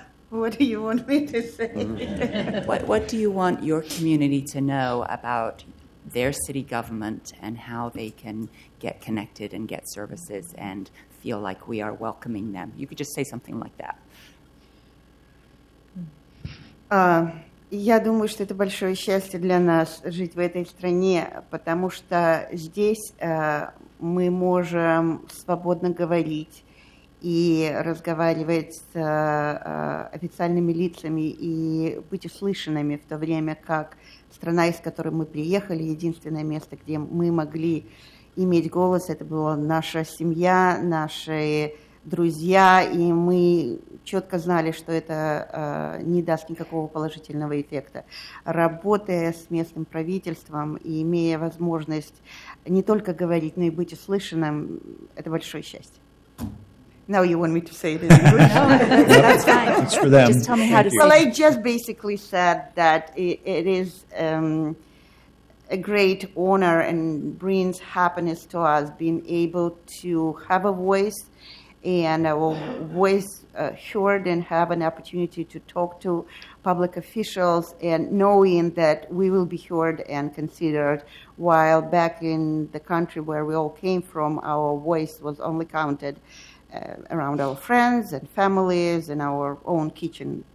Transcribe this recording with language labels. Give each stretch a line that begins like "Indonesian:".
English: What do you want me to say? What do you want your community to know about their city government and how they can get connected and get services and feel like we are welcoming them? You could just say something like that.
Russian: Я думаю, что это большое счастье для нас жить в этой стране, потому что здесь мы можем свободно говорить и разговаривать с официальными лицами и быть услышанными, в то время как страна, из которой мы приехали, единственное место, где мы могли иметь голос, это была наша семья, наши друзья, и мы четко знали, что это не даст никакого положительного эффекта. Работая с местным правительством и имея возможность не только говорить, но и быть услышанным, это большое счастье.
English: Now you want me to say it in English? No, that's fine. It's for them. Just tell me how to say it. Well, I just basically said that it is a great honor and brings happiness to us being able to have a voice and our voice heard and have an opportunity to talk to public officials and knowing that we will be heard and considered, while back in the country where we all came from, our voice was only counted around our friends and families and our own kitchen.